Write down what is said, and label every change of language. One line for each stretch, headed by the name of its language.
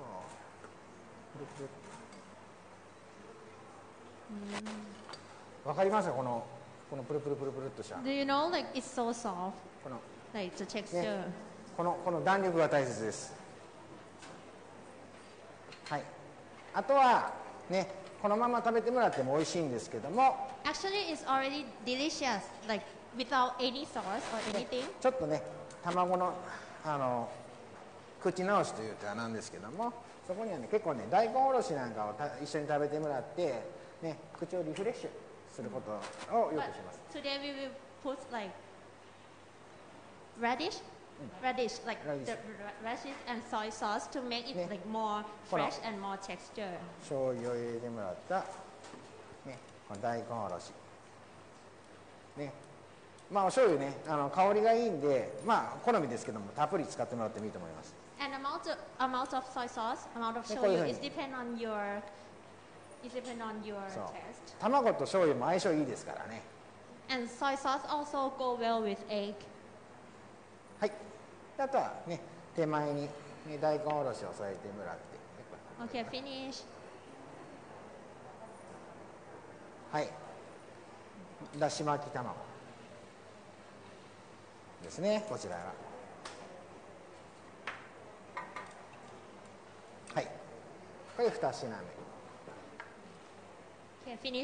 Japanese: よいしょ。わかりますか、このプルプルプルプルっとした。
English: Do you know, like, it's so soft?
Japanese: この、
English: like, the texture. ね、
Japanese: この弾力が大切です。はい。あとは、ね。このまま食べてもらっても美味しいんですけども
English: Actually, it's already delicious, like without any sauce or anything.
Japanese: ちょっとね、卵の、あの口直しというかなんですけどもそこにはね、結構ね、大根おろしなんかを一緒に食べてもらってね、口をリフレッシュすることをよくします、
English: But、Today we will put like radish? Radish, like radish. The radish and soy sauce to make it、ね、like more fresh and more texture.
Japanese: 醤油を入れてもらった、ね、この大根おろし、ね、まあお醤油ね、あの香りがいいんで、まあ好みですけどもたっぷり使ってもらってもいいと思います。
English: And amount of soy sauce, amount of 醤油 is depend on your taste.
Japanese: 卵と醤油も相性いいですからね。
English: And soy sauce also go well with egg.
Japanese: はい、あとはね、手前に、ね、大根おろしを添えてもらって
English: OK, finish
Japanese: はい、だし巻き卵ですね、こちらははい、これ2品目